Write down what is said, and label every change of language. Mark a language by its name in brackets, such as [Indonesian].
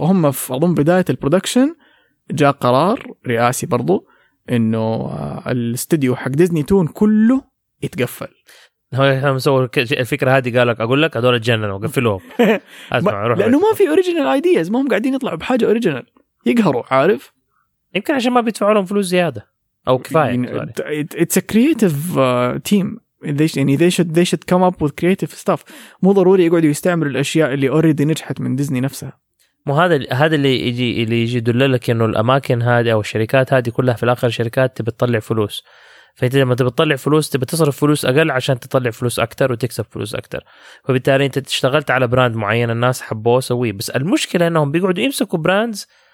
[Arabic] وهم في اظن بداية البرودكشن جاء قرار رئاسي برضو انه الاستوديو حق ديزني تون كله يتقفل. هو هم سووا الفكره هذه قالك اقول لك هذول الجنن وقفلوهم. لانه ما في اوريجينال ايديز ما هم قاعدين يطلعوا بحاجه اوريجينال يقهروا عارف. يمكن عشان ما بيدفعوا لهم فلوس زياده او كفايه. [English] It's creative team they should come up with creative stuff. [Arabic] مو ضروري يقعدوا يستعملوا الاشياء اللي اوريدي نجحت من ديزني نفسها. مو هذا اللي يجي يدللك انه الاماكن هذه او الشركات هذه كلها في الاخر شركات تبي تطلع فلوس. فانت لما تبي تطلع فلوس تبي تصرف فلوس اقل عشان تطلع فلوس اكثر وتكسب فلوس اكثر. فبالتالي انت اشتغلت على براند معين الناس حبوه سويه. بس المشكله انهم بيقعدوا يمسكوا براندز.